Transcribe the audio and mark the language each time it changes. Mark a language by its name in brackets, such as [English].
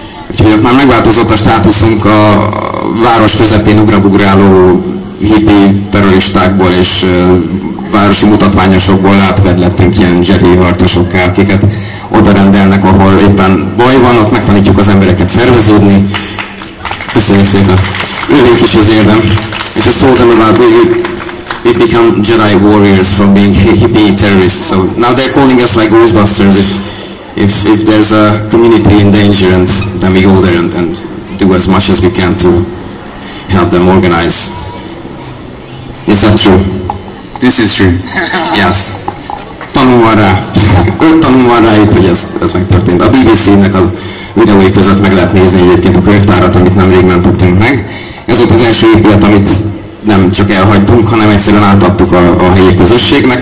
[Hungarian] Úgyhogy ott már megváltozott a státuszunk a város közepén ugrabugráló hippi terroristákból és városi mutatványosokból átvedlettünk ilyen zserélyhartosokká, akiket oda rendelnek, ahol éppen baj van, ott megtanítjuk az embereket szerveződni. Köszönjük szépen! Ővék is az érdem, és a szó demobát. [English] We become Jedi warriors from being hippie terrorists. So now they're calling us like Ghostbusters. If there's a community in danger, and then we go there and do as much as we can to help them organize. Is that true? This is true. Yes. [Hungarian] Tanulva rá itt, hogy ez megtörtént. A BBC-nek a videói között meg lehet nézni egyébként a könyvtárat, amit nemrég mentettünk meg. Ez volt az első épület, amit nem csak elhagytunk, hanem egyszerűen átadtuk a helyi közösségnek.